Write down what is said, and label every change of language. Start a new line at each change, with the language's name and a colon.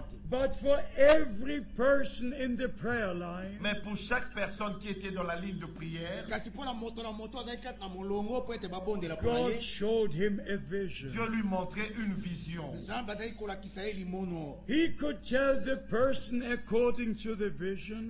English: But for every person in the prayer line,
French: mais pour chaque personne qui était dans la ligne de prière, God
English: showed him a vision.
French: Dieu lui montrait une vision.
English: He could tell the person according to the vision.